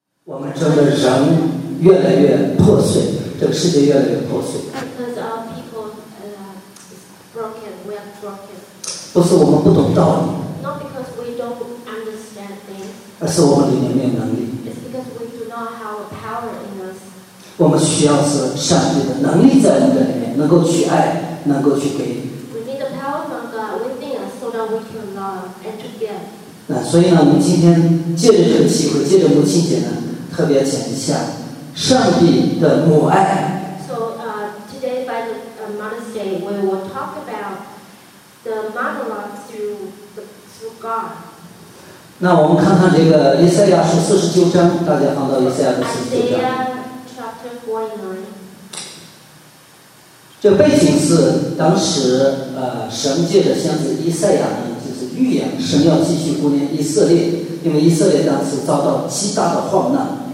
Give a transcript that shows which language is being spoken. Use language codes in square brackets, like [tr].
[zh] 我们这个人越来越破碎，这个世界越来越破碎。 [en] Because our people broken, we are broken. [zh] 不是我们不懂道理。 [en] Not because we don't understand things. [zh] 而是我们里面没有能力。 [en] It's because we do not have power in us. [zh] 我们需要是上帝的能力在我们的里面，能够去爱，能够去给。 [en] We need the power from God within us so that we can love and to give. [zh] 那所以呢，我们今天借着这个机会，借着母亲节呢，特别讲一下上帝的母爱。 [en] So, today by Mother's Day, we will talk about the mother love through God. [zh] 那我们看看这个以赛亚书49章，大家放到以赛亚书49章。 [en] Isaiah chapter 49. [zh] 这背景是当时神借着先知以赛亚呢。预言神要继续顾念以色列，因为以色列当时遭到极大的患难。